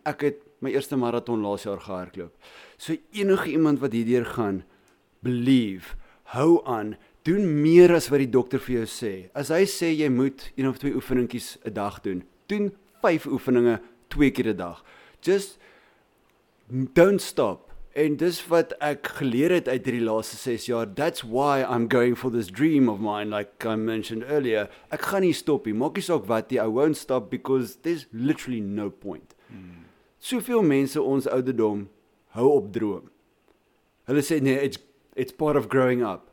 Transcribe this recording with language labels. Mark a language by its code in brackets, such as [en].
[af] Ek het my eerste marathon laas jaar gehardloop. So enige iemand wat hierdeur gaan, believe, hou aan, doen meer as wat die dokter vir jou sê. As hy sê jy moet 1 of 2 oefeningkies 'n dag doen, doen 5 oefeninge 2 keer 'n dag. [en] Just don't stop. [af] En dis wat ek geleer het uit die laaste 6 jaar. [en] That's why I'm going for this dream of mine, like I mentioned earlier. [af] Ek gaan nie stop nie. Maak nie saak wat nie. [en] I won't stop because there's literally no point. [af] Soveel mense ons ouderdom hou op droom. Hulle sê, nee, [en] it's part of growing up.